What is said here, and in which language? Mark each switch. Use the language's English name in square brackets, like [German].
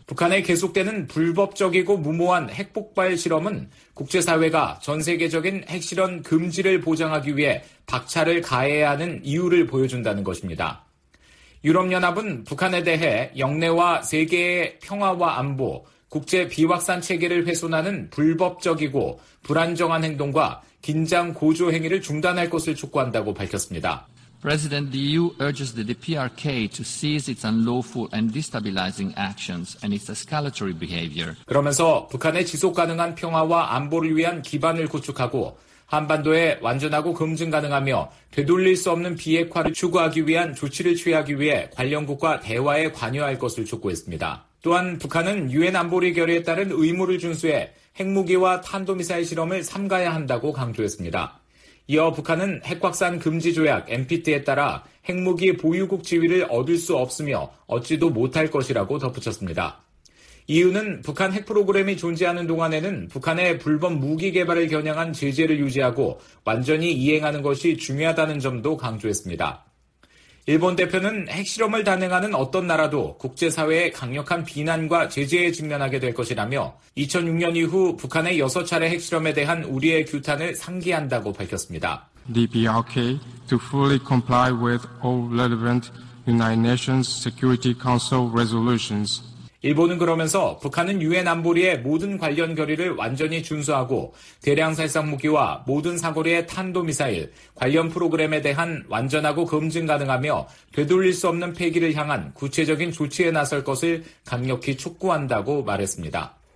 [Korean] 북한의 계속되는 불법적이고 무모한 핵폭발 실험은 국제사회가 전 세계적인 핵실험 금지를 보장하기 위해 박차를 가해야 하는 이유를 보여준다는 것입니다. 유럽연합은 북한에 대해 영내와 세계의 평화와 안보, 국제 비확산 체계를 훼손하는 불법적이고 불안정한 행동과 긴장 고조 행위를 중단할 것을 촉구한다고 밝혔습니다. [English] President, the EU urges the DPRK to cease its unlawful and destabilizing actions and its escalatory behavior. [Korean] 그러면서 북한의 지속 가능한 평화와 안보를 위한 기반을 구축하고 한반도에 완전하고 검증 가능하며 되돌릴 수 없는 비핵화를 추구하기 위한 조치를 취하기 위해 관련국과 대화에 관여할 것을 촉구했습니다. 또한 북한은 유엔 안보리 결의에 따른 의무를 준수해 핵무기와 탄도미사일 실험을 삼가야 한다고 강조했습니다. 이어 북한은 핵확산 금지 조약 NPT에 따라 핵무기 보유국 지위를 얻을 수 없으며 얻지도 못할 것이라고 덧붙였습니다. 이유는 북한 핵 프로그램이 존재하는 동안에는 북한의 불법 무기 개발을 겨냥한 제재를 유지하고 완전히 이행하는 것이 중요하다는 점도 강조했습니다. 일본 대표는 핵실험을 단행하는 어떤 나라도 국제사회의 강력한 비난과 제재에 직면하게 될 것이라며 2006년 이후 북한의 6차례 핵실험에 대한 우리의 규탄을 상기한다고 밝혔습니다. [English] The DPRK to fully comply with all relevant United Nations Security Council resolutions. [Korean] 일본은 그러면서 북한은 유엔 안보리의 모든 관련 결의를 완전히 준수하고 대량살상무기와 모든 사거리의 탄도미사일 관련 프로그램에 대한 완전하고 검증 가능하며 되돌릴 수 없는 폐기를 향한 구체적인 조치에 나설 것을 강력히 촉구한다고 말했습니다.